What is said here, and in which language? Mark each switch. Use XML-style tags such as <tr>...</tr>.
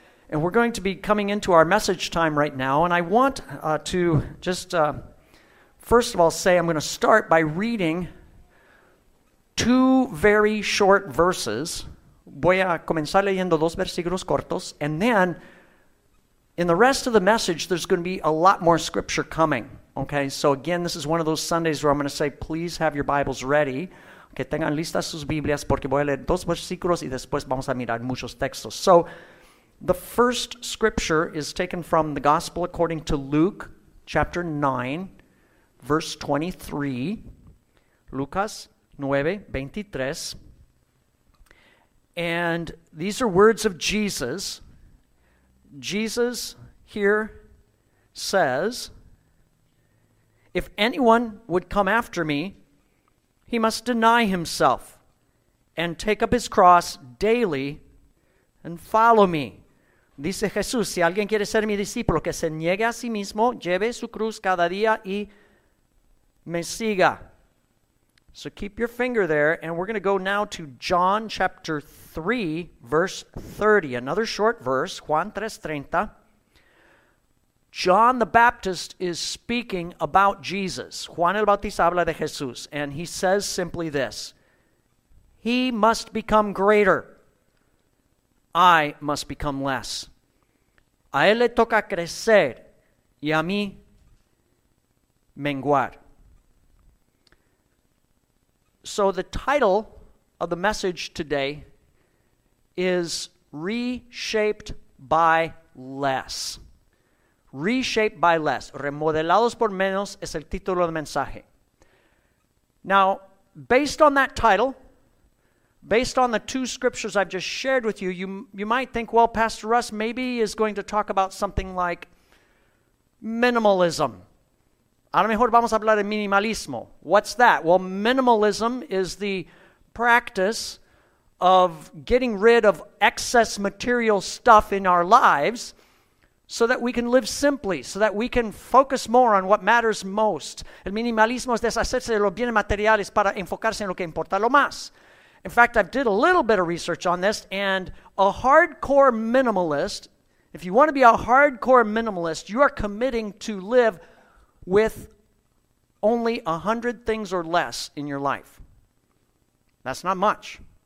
<en>And we're going to be coming into our message time right now. And I want to just, first of all, say I'm going to start by reading two very short verses.</en> <es>Voy a comenzar leyendo dos versículos cortos.</es> <en>And then, in the rest of the message, there's going to be a lot more scripture coming. Okay, so again, this is one of those Sundays where I'm going to say, please have your Bibles ready.</en> <es>Que tengan listas sus Biblias porque voy a leer dos versículos y después vamos a mirar muchos textos.</es> <en>So, the first scripture is taken from the Gospel according to Luke chapter 9, verse 23.</en> <es>Lucas 9, 23.</es> <en>And these are words of Jesus. Jesus here says, if anyone would come after me, he must deny himself and take up his cross daily and follow me.</en> <es>Dice Jesús, si alguien quiere ser mi discípulo, que se niegue a sí mismo, lleve su cruz cada día y me siga.</es> <en>So keep your finger there, and we're going to go now to John chapter 3, verse 30. Another short verse, Juan 3:30. John the Baptist is speaking about Jesus.</en> <es>Juan el Bautista habla de Jesús,</es> <en>and he says simply this, he must become greater, I must become less.</en> <es>A él le toca crecer, y a mí menguar.</es> <en>So the title of the message today is Reshaped by Less. Reshaped by Less.</en> <es>Remodelados por menos es el título del mensaje.</es> <en>Now, based on that title, based on the two scriptures I've just shared with you, you might think, well, Pastor Russ maybe is going to talk about something like minimalism.</en> <es>A lo mejor vamos a hablar de minimalismo.</es> <en>What's that? Well, minimalism is the practice of getting rid of excess material stuff in our lives so that we can live simply, so that we can focus more on what matters most.</en> <es>El minimalismo es deshacerse de los bienes materiales para enfocarse en lo que importa lo más.</es> <en>In fact, I've did a little bit of research on this, and a hardcore minimalist, if you want to be a hardcore minimalist, you are committing to live with only 100 things or less in your life. That's not much.</en>